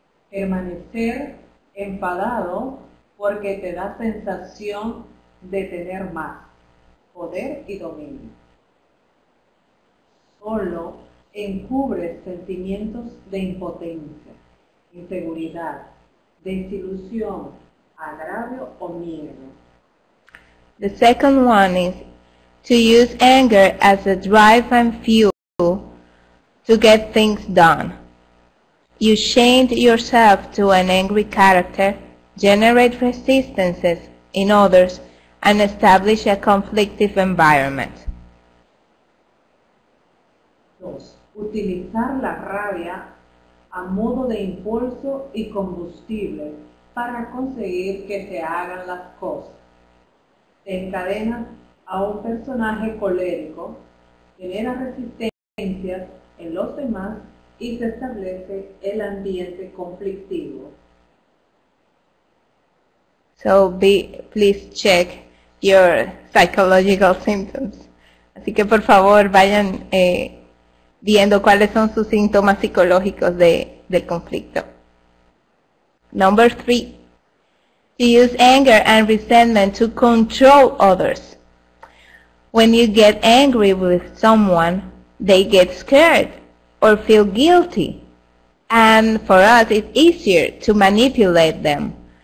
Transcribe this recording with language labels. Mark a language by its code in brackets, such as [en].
[es] permanecer enfadado porque te da sensación de tener más poder y dominio. Solo encubre sentimientos de impotencia, inseguridad, desilusión, agravio o miedo. [en] The second one is to use anger as a drive and fuel to get things done. You chained yourself to an angry character, generate resistances in others, and establish a conflictive environment. [es] Utilizar la rabia a modo de impulso y combustible para conseguir que se hagan las cosas. Te encadena a un personaje colérico, genera resistencia en los demás y se establece el ambiente conflictivo. [en] So be, please check your psychological symptoms. [es] Así que por favor vayan viendo cuáles son sus síntomas psicológicos del conflicto. [en] Number three, you use anger and resentment to control others. When you get angry with someone, they get scared or feel guilty. And for us, it's easier to manipulate them.